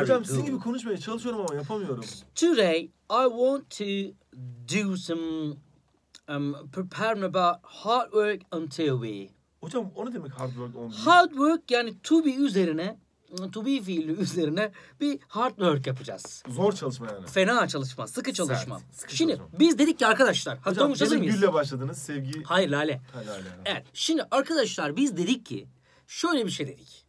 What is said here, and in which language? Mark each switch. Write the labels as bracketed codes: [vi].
[tr] Hocam, sizin gibi konuşmaya çalışıyorum ama yapamıyorum. [en] Today, I want to do some preparing about hard work on TOB. [tr] Hocam, o ne demek [en] hard work on TOB? Hard work, [tr] yani [en] to be [tr] üzerine, to be fiili üzerine bir [en] hard work [tr] yapacağız. Zor çalışma yani. Fena çalışma, sıkı çalışma. Sert, sıkı şimdi çalışma. Biz dedik ki arkadaşlar, hocam, hazır mıyız? Hocam, gülle başladınız, sevgi... Hayır, Lale. Hayır, evet, şimdi arkadaşlar biz dedik ki, şöyle bir şey dedik.